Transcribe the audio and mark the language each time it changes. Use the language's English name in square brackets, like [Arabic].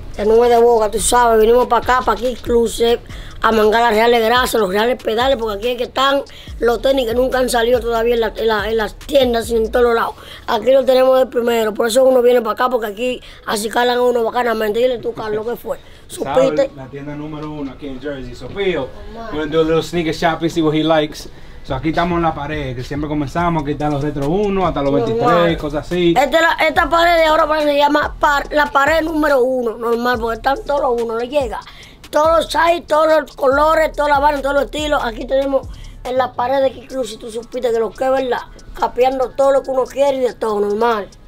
[Spanish] De nuevo de boca, tú sabes, venimos para acá, para aquí, incluso, a mangar las reales grasas, los reales pedales, porque aquí es que están los tenis que nunca han salido todavía en las tiendas y en todos los lados. Aquí lo tenemos de primero, por eso uno viene para acá, porque aquí así calan a uno bacanamente. Dile tú, Carlos, ¿qué fue? ¿Supiste? La tienda número uno aquí en Jersey, Sofío. [English] We're gonna do a little sneaker shopping, see what he likes. [Spanish] So aquí estamos en la pared, que siempre comenzamos, aquí están los retro 1, hasta los 23, cosas así. Esta pared de ahora se llama la pared número 1, normal, porque están todos los 1, le llega. Todos los size, todos los colores, toda la barra, todos los estilos. Aquí tenemos en la pared de Kikluza, si tú supiste que lo que es verdad, capeando todo lo que uno quiere y de todo, normal.